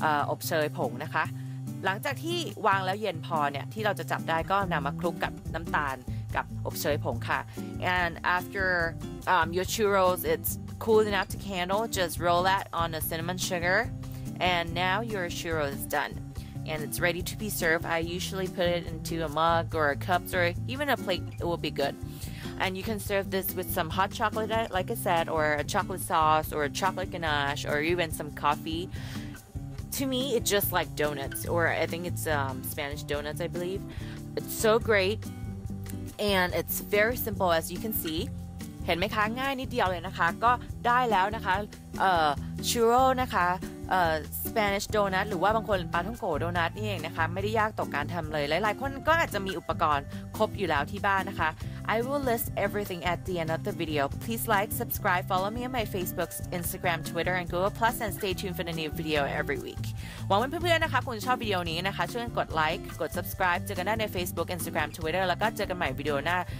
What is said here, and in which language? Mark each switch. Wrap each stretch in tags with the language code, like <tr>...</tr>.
<th>อบเชยผงนะคะหลังจากที่วางแล้วเย็นพอเนี่ยที่เราจะจับได้ก็นำมาคลุกกับน้ำตาลกับอบเชยผงค่ะ</th> <en>and after your churros it's cool enough to handle just roll that on the cinnamon sugar and now your churro is doneAnd it's ready to be served. I usually put it into a mug or a cup or even a plate. It will be good. And you can serve this with some hot chocolate, like I said, or a chocolate sauce or a chocolate ganache or even some coffee. To me, it's just like donuts or I think it's Spanish donuts, I believe. It's so great. And it's very simple, as you can see.</en> <th>เห็นไหมคะง่ายนิดเดียวเลยนะคะก็ได้แล้วนะคะชูโร่นะคะสเปนิชโดนัทหรือว่าบางคนปาท่องโกโดนัทนี่เองนะคะไม่ได้ยากต่อการทำเลยหลายๆคนก็อาจจะมีอุปกรณ์ครบอยู่แล้วที่บ้านนะคะ</th> <en>I will list everything at the end of the video please like subscribe follow me on my Facebook Instagram Twitter and Google Plus and stay tuned for the new video every week</en> <th>หวังว่าเพื่อนๆนะคะคุณจะชอบวิดีโอนี้นะคะช่วยกด like กด subscribe เจอกันได้ใน Facebook Instagram Twitter แล้วก็เจอกันใหม่วิดีโอหน้า</th>